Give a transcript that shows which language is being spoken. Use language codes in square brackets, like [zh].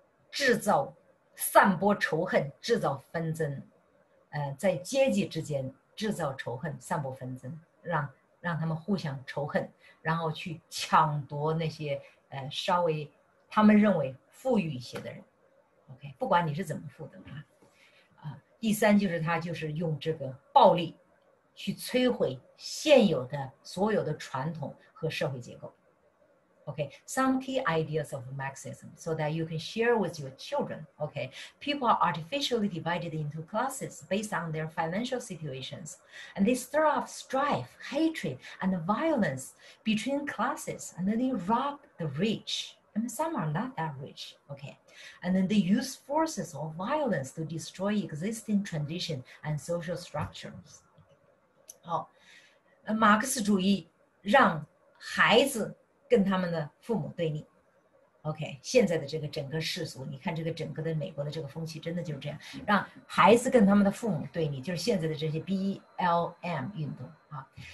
[zh] 制造散播仇恨，制造纷争，在阶级之间制造仇恨，散播纷争，让他们互相仇恨，然后去抢夺那些稍微他们认为富裕一些的人。 OK， 不管你是怎么富的啊。第三就是他就是用这个暴力去摧毁现有的所有的传统和社会结构。 [en] Okay, some key ideas of Marxism so that you can share with your children. Okay, people are artificially divided into classes based on their financial situations, and they stir up strife, hatred, and violence between classes, and then they rob the rich. And some are not that rich. Okay, and then they use forces or violence to destroy existing tradition and social structures. [zh] 好，马克思主义让孩子跟他们的父母对立 ，OK， 现在的这个整个世俗，你看这个整个的美国的这个风气，真的就是这样，让孩子跟他们的父母对立，就是现在的这些 BLM 运动啊，